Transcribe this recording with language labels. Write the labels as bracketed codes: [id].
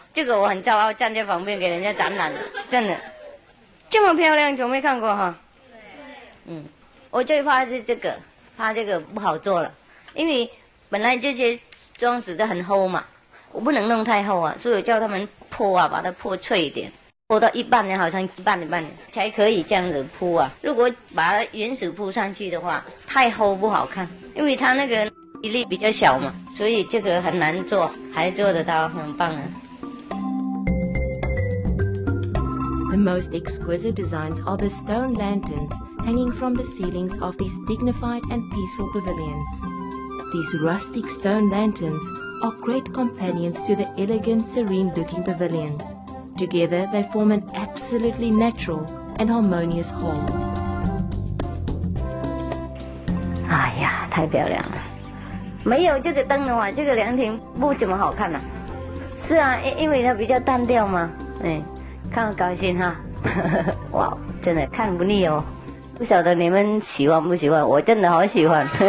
[zh] 这个我很骄傲，站在旁边给人家展览，真的，这么漂亮，从没看过哈。嗯，我最怕是这个，怕这个不好做了，因为本来这些装饰都很厚嘛，我不能弄太厚啊，所以我叫他们破啊，把它破脆一点，破到一半呢，好像一半一半才可以这样子铺啊。如果把它原始铺上去的话，太厚不好看，因为它那个比例比较小嘛，所以这个很难做，还做得到，很棒啊。 [en] The most exquisite designs are the stone lanterns hanging from the ceilings of these dignified and peaceful pavilions. These rustic stone lanterns are great companions to the elegant, serene-looking pavilions. Together, they form an absolutely natural and harmonious whole. [zh] 哎呀，太漂亮了！没有这个灯的话，这个凉亭不怎么好看呢、啊。是啊，因为它比较单调嘛。哎，看我高兴哈！哇，真的看不腻哦。不晓得你们喜欢不喜欢，我真的好喜欢。